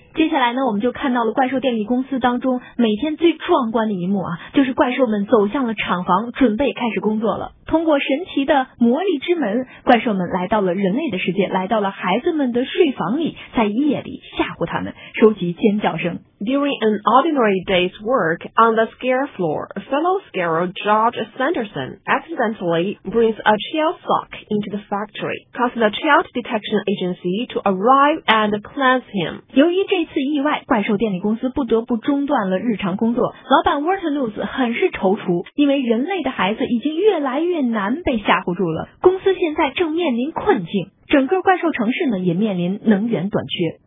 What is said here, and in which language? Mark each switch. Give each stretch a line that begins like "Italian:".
Chinese: 接下来呢我们就看到了怪兽电力公司当中每天最壮观的一幕啊就是怪兽们走向了厂房准备开始工作了。通过神奇的魔力之门怪兽们来到了人类的世界来到了孩子们的睡房里在夜里吓唬他们收集尖叫声。
English: During an ordinary day's work on the scare floor, fellow scarer George Sanderson accidentally brings a child sock into the factory, causing the child detection agency to arrive and cleanse him.
Chinese: 由于这次意外怪兽电力公司不得不中断了日常工作老板 Waterloos 很是踌躇因为人类的孩子已经越来越难被吓唬住了公司现在正面临困境整个怪兽城市呢也面临能源短缺